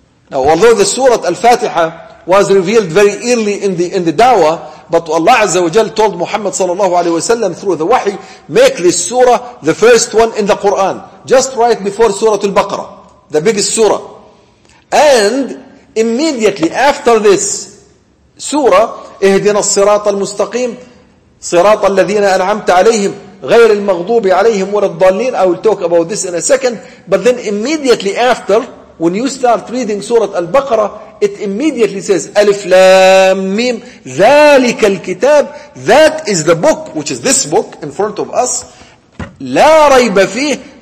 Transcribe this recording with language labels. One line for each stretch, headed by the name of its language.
English: Now, although the Surah Al-Fatiha was revealed very early in the Dawah, but Allah Azza wa Jal told Muhammad sallallahu alayhi wa sallam through the Wahi, make this Surah the first one in the Quran, just right before Surah Al-Baqarah, the biggest Surah. And immediately after this Surah,
Arabic: اهدنا الصراط المستقيم صراط الذين أنعمت عليهم غير المغضوب عليهم ولا الضالين.
English: I will talk about this in a second, but then immediately after, when you start reading Surah Al-Baqarah, it immediately says, Alif Lam Mim,
Arabic: ذَلِكَ الْكِتَابِ.
English: That is the book, which is this book in front of us.
Arabic: لَا رَيْبَ فِيهِ.